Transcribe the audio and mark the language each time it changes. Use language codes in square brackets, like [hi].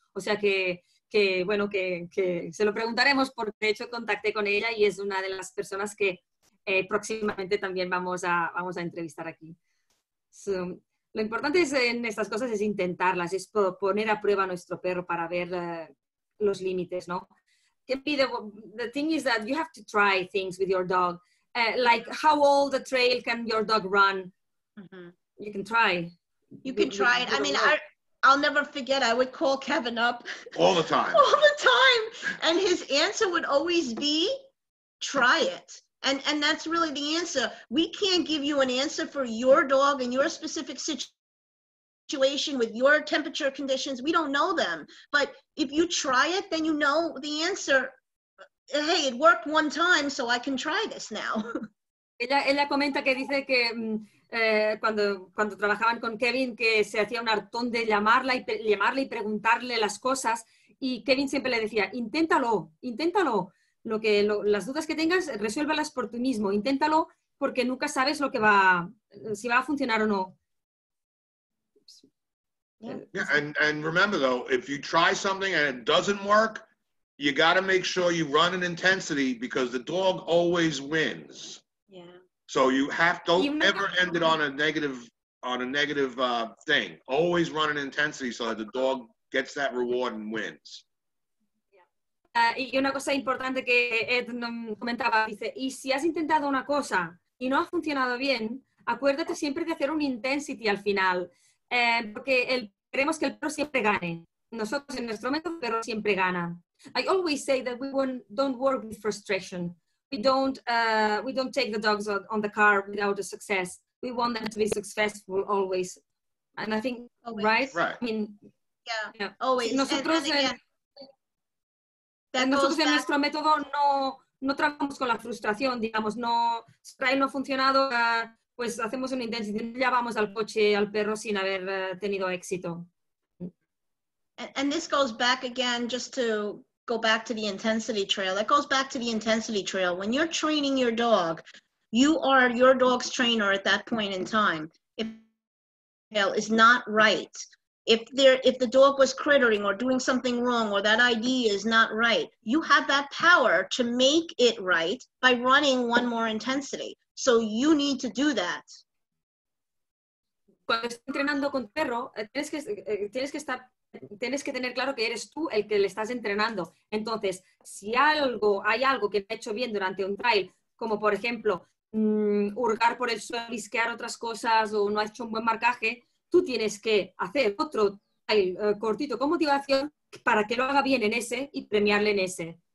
[es] O sea que se lo preguntaremos, porque de hecho contacté con ella y es una de las personas que próximamente también vamos a entrevistar aquí. So, lo importante en estas cosas es intentarlas, es poner a prueba a nuestro perro para ver los límites, ¿no? [en] Can be the thing is that you have to try things with your dog. Like how old a trail can your dog run? Mm-hmm. You can try. You can try it. I mean, I'll never forget. I would call Kevin up all the time. All the time, and his answer would always be, "Try it." And that's really the answer. We can't give you an answer for your dog in your specific situation with your temperature conditions. We don't know them, but if you try it, then you know the answer. Hey, it worked one time, so I can try this now. [es] Ella comenta que dice que cuando trabajaban con Kevin, que se hacía un hartón de llamarla y preguntarle las cosas, y Kevin siempre le decía, inténtalo. Las dudas que tengas, resuélvelas por ti mismo. Inténtalo, porque nunca sabes lo que va, si va a funcionar o no. [en] Yeah, and remember though, if you try something and it doesn't work, you got to make sure you run an intensity, because the dog always wins. Yeah. So you have to never end it on a negative thing. Always run an intensity so that the dog gets that reward and wins. Yeah. [es] Y una cosa importante que Ed comentaba, dice, y si has intentado una cosa y no ha funcionado bien, acuérdate siempre de hacer un intensity al final, porque queremos que el perro siempre gane. Nosotros en nuestro método, el perro siempre gana. [en] I always say that we don't work with frustration. We don't take the dogs on the car without a success. We want them to be successful always. And I think, always. Right? Right. I mean, yeah, always. [es] Nosotros, nosotros en nuestro método no trabajamos con la frustración, digamos. No, si el trail no ha funcionado, pues hacemos una intensidad. Ya vamos al coche, al perro, sin haber tenido éxito. [en] And this goes back again, just to go back to the intensity trail. That goes back to the intensity trail. When you're training your dog, you are your dog's trainer at that point in time. If the trail is not right, if the dog was crittering or doing something wrong, or that ID is not right, you have that power to make it right by running one more intensity. So you need to do that. [es] Cuando estás entrenando con perro, tienes que tener claro que eres tú el que le estás entrenando. Entonces, si hay algo que he hecho bien durante un trail, como por ejemplo, hurgar por el suelo, risquear otras cosas, o no ha hecho un buen marcaje, tú tienes que hacer otro trail cortito con motivación para que lo haga bien en ese y premiarle en ese.